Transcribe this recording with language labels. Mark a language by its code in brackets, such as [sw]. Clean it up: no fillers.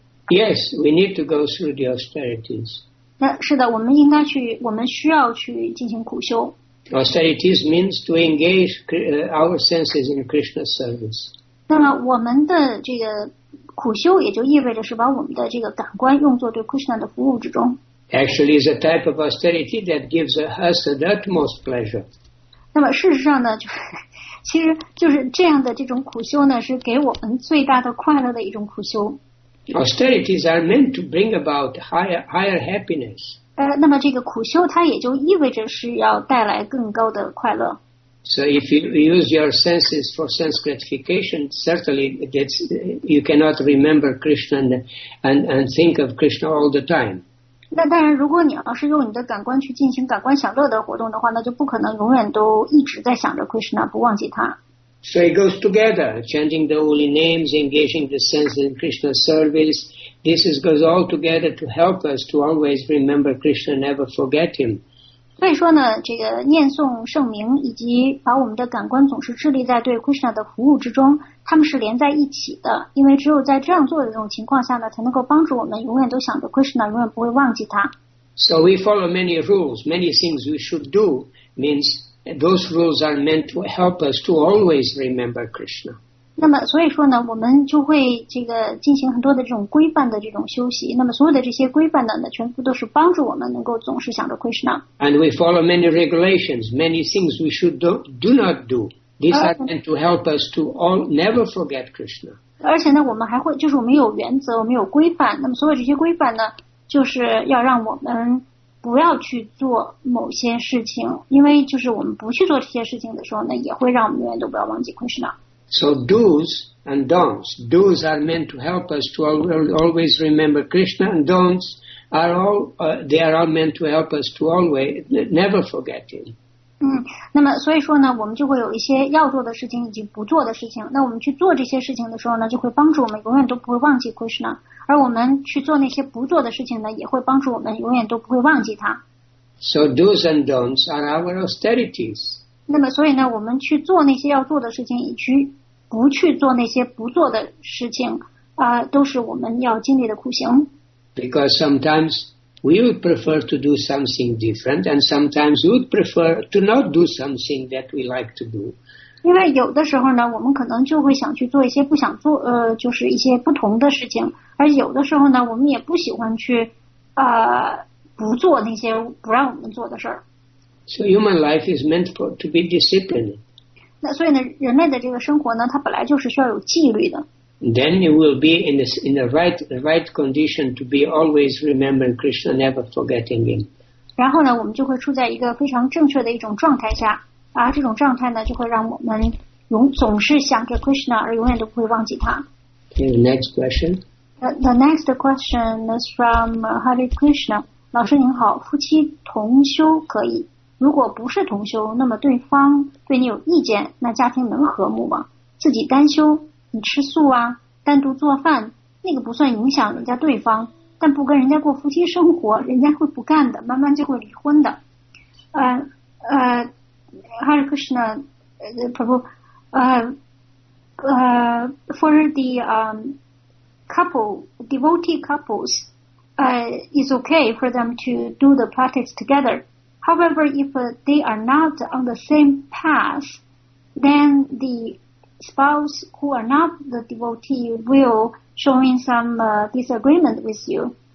[en] Yes, we need to go through the austerities. [zh] 是的，我们应该去，我们需要去进行苦修。 [en] Austerities means to engage our senses in Krishna's service. [zh] 那么我们的这个苦修也就意味着是把我们的这个感官用作对 Krishna 的服务之中。 [en] Actually, it's a type of austerity that gives us the utmost pleasure. [zh] 那么事实上呢，就是其实就是这样的这种苦修呢，是给我们最大的快乐的一种苦修。 [en] Austerities are meant to bring about higher happiness. [zh] 那么这个苦修它也就意味着是要带来更高的快乐。 [en] So if you use your senses for sense gratification, certainly that's, you cannot remember Krishna and think of Krishna all the time. [zh] 那当然，如果你要是用你的感官去进行感官享乐的活动的话，那就不可能永远都一直在想着 Krishna， 不忘记他。 [en] So it goes together, chanting the holy names, engaging the senses in Krishna's service. This is goes all together to help us to always remember Krishna, never forget him. [zh] 所以说呢，这个念诵圣名以及把我们的感官总是致力在对 Krishna 的服务之中，他们是连在一起的。因为只有在这样做的这种情况下呢，才能够帮助我们永远都想着 Krishna， 永远不会忘记他。 [en] So we follow many rules, many things we should do means. Those rules are meant to help us to always remember Krishna. [zh] 那么所以说呢，我们就会这个进行很多的这种规范的这种修习。那么所有的这些规范呢，那全部都是帮助我们能够总是想着 Krishna. [en] And we follow many regulations, many things we should do not do. These are meant to help us to all never forget Krishna. [zh] 而且呢，我们还会就是我们有原则，我们有规范。那么所有这些规范呢，就是要让我们。不要去做某些事情，因为就是我们不去做这些事情的时候呢，也会让我们永远都不要忘记 Krishna。 [en] So do's and don'ts. Do's are meant to help us to always remember Krishna, and don'ts are all they are all meant to help us to always never forget him. [zh] 嗯，那么所以说呢，我们就会有一些要做的事情以及不做的事情。那我们去做这些事情的时候呢，就会帮助我们永远都不会忘记 Krishna。而我们去做那些不做的事情呢，也会帮助我们永远都不会忘记它。 [en] So do's and don'ts are our austerities. [zh] 那么所以呢，我们去做那些要做的事情，以及不去做那些不做的事情，都是我们要经历的苦行。 [en] Because sometimes we would prefer to do something different, and sometimes we would prefer to not do something that we like to do. [zh] 因为有的时候呢，我们可能就会想去做一些不想做，就是一些不同的事情。而有的时候呢，我们也不喜欢去，不做那些不让我们做的事儿。 [en] So human life is meant for to be disciplined. [zh] 那所以呢，人类的这个生活呢，它本来就是需要有纪律的。 [en] Then you will be in the right condition to be always remembering Krishna, never forgetting him. [zh] 然后呢，我们就会处在一个非常正确的一种状态下。而这种状态呢，就会让我们总是想着 Krishna， 而永远都不会忘记他。 [en] Next question. The next question is from Hare Krishna. [zh] 老师您好，夫妻同修可以，如果不是同修，那么对方对你有意见，那家庭能和睦吗？自己单修，你吃素啊，单独做饭，那个不算影响人家对方，但不跟人家过夫妻生活，人家会不干的，慢慢就会离婚的。 [en] Hare Krishna, Prabhu, for the devotee couples, it's okay for them to do the practice together. However, if they are not on the same path, then the spouse who are not the devotee will show in some disagreement with you.